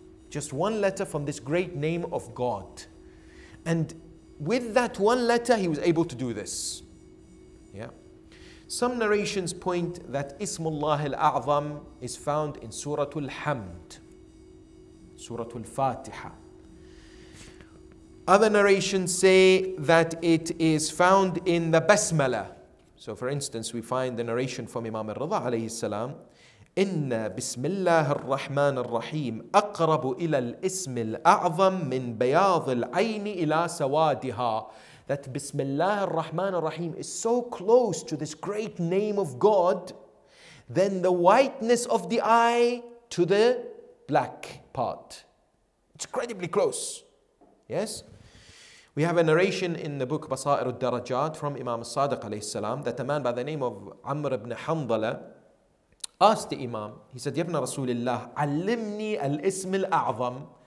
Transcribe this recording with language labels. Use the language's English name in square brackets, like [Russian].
[English] Just one letter from this great name of God. And with that one letter, he was able to do this. Yeah. Some narrations point that Ismullah al-A'zam is found in Surah Al-Hamd, Surah Al-Fatiha. Other narrations say that it is found in the Basmala. So for instance, we find the narration from Imam al-Rida alayhi salam, [Arabic] إِنَّ بِسْمِ اللَّهِ الرَّحْمَنِ الرَّحِيمِ أَقْرَبُ إِلَى الْإِسْمِ الْأَعْظَمِ مِنْ بَيَاضِ الْعَيْنِ إِلَى سَوَادِهَا. [English] That Bismillah ar-Rahman ar-Rahim is so close to this great name of God than the whiteness of the eye to the black part. It's incredibly close. Yes? We have a narration in the book Basair al-Darajat from Imam al-Sadiq alayhi salam that a man by the name of Amr ibn Hanzala asked the Imam, he said, [Arabic] Yabna Rasulillah, Allimni al-Ism al-A'zam.